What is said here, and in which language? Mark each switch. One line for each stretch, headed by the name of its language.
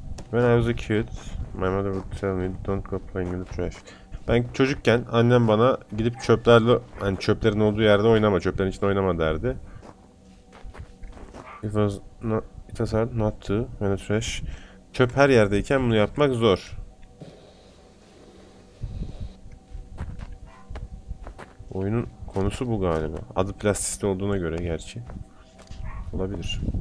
English: When I was a kid, my mother would tell me, don't go playing in the trash.
Turkish: Ben çocukken annem bana gidip çöplerle, hani çöplerin olduğu yerde oynama, çöplerin içinde oynama derdi.
English: It was hard not to when it's fresh.
Turkish: Çöp her yerdeyken bunu yapmak zor. Oyunun konusu bu galiba. Adı Plastist olduğuna göre gerçi. Olabilir.